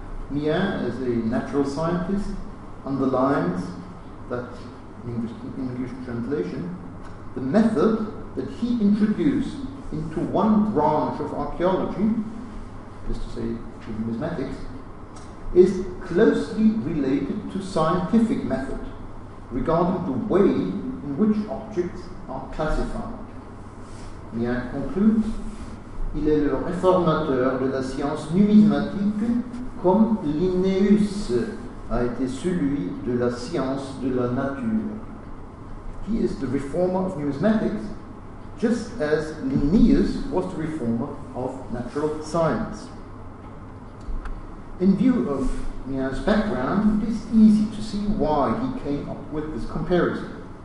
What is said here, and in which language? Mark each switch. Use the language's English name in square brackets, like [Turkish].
[English] Mien, as a natural scientist, underlines that English translation, the method that he introduced into one branch of archaeology, that is to say, numismatics, is closely related to scientific method regarding the way in which objects are classified. Mien concludes, [French] il est le réformateur de la science numismatique comme Linnaeus a été celui de la science de la nature. [English] He is the reformer of numismatics, just as Linnaeus was the reformer of natural science. In view of Mien's background, it is easy to see why he came up with this comparison.